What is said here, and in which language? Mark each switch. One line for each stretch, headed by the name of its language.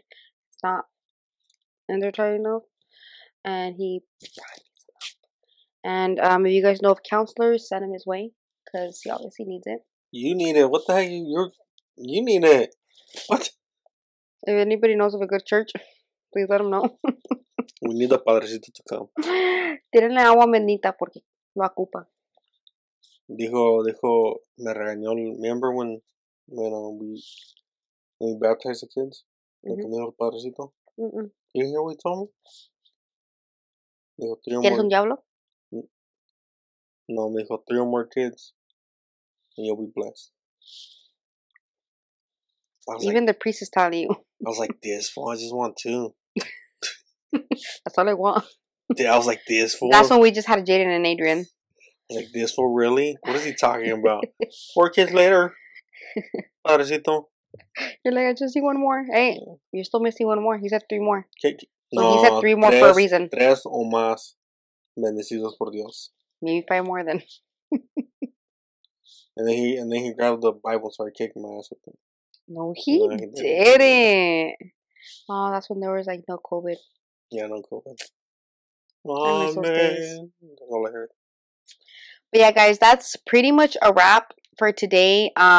English: It's not intertwined enough. And he, and if you guys know of counselors, send him his way because he obviously needs it. You need it. What the heck? You need it. What? If anybody knows of a good church, please let him know. We need a padrecito to come.
Spanish: Tienen agua bendita porque lo ocupa. Dijo, me regañó.
English: Remember when we baptized the kids? Mm-hmm. Like, padrecito? Mm-mm. You hear what he told me?
Spanish: No, me dijo,
English: 3 or more kids, and you'll be blessed. Even the priest is telling you. I was like, this fool, I just want 2. That's all I want. Dude, I was like, this fool. That's when we just had Jaden and Adrián. Like, this fool, really? What is he talking about? 4 kids later. Padrecito. You're like, I just need 1 more. Hey, you're still missing 1 more. He said 3 more. Okay. So no, he said 3 more for a reason.
Spanish: 3 o más bendecidos por Dios.
English: Maybe 5 more then. and then he grabbed the Bible and started kicking my ass with it. No, he didn't. Oh, that's when there was like no COVID. Yeah, no COVID. Oh, man. But yeah, guys, that's pretty much a wrap for today.